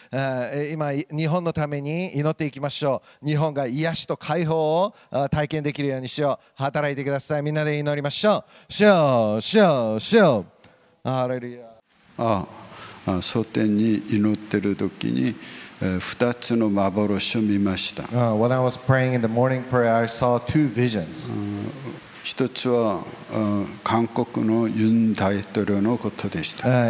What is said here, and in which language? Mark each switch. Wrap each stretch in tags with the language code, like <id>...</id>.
<ja>今日本のために祈っていきましょう。日本が癒しと解放を体験できるようにしよう。働いてください。みんなで祈りましょう。ハレルヤ。蒼天に祈ってる時に二つの幻を見ました。</ja> <en>When I was praying in the morning prayer, I saw two visions.</en> <ja>一つは韓国のユン大統領のことでした。</ja>